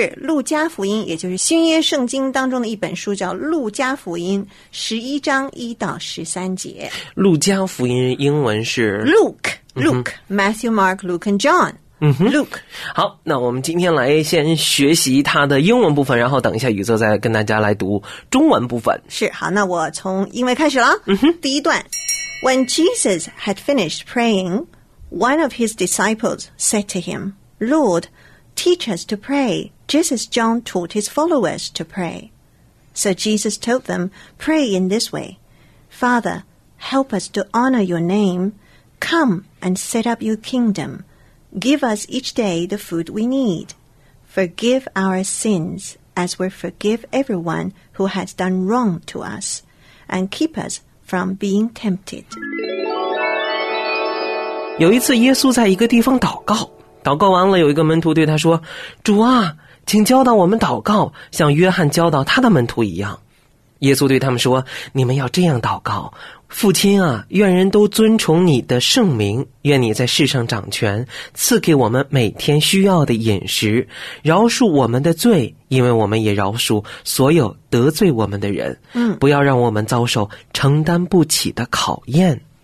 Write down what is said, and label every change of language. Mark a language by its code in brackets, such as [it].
[zh] 路加福音，也就是新约圣经当中的一本书，叫路加福音11章1到13节。路加福音英文是 [en] Luke Matthew Mark Luke and John。 Luke。 [zh] 好，那我们今天来先学习它的英文部分，然后等一下宇泽再跟大家来读中文部分。是，好，那我从英文开始了。 [en] 第一段，When Jesus had finished praying, one of his disciples said to him, Lord, teach us to pray, just as John taught his followers to pray. So Jesus told them, Pray in this way. Father, help us to honor your name. Come and set up your kingdom. Give us each day the food we need. Forgive our sins as we forgive everyone who has done wrong to us. And keep us from being tempted. [zh] 有一次耶稣在一个地方祷告，祷告完了，有一个门徒对他说，主啊，请教导我们祷告，像约翰教导他的门徒一样。耶稣对他们说，你们要这样祷告，父亲啊，愿人都尊崇你的圣名，愿你在世上掌权，赐给我们每天需要的饮食，饶恕我们的罪，因为我们也饶恕所有得罪我们的人，不要让我们遭受承担不起的考验。